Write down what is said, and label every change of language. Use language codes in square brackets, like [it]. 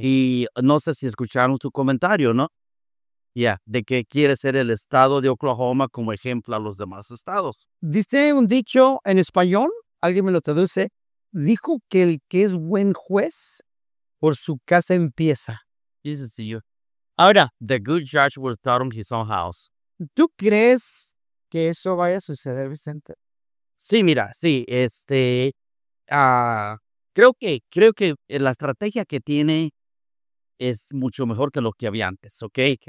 [es] Y no sé si escucharon su comentario, ¿no? Ya, yeah, de que quiere ser el estado de Oklahoma como ejemplo a los demás estados. Dice un dicho en español, alguien me lo traduce, dijo que el que es buen juez por su casa empieza. Dice, sí, yo. Ahora. [en] The good judge will start on his own house. [es] ¿Tú crees que eso vaya a suceder, Vicente? Sí, mira, sí, creo que la estrategia que tiene es mucho mejor que lo que había antes, ¿ok?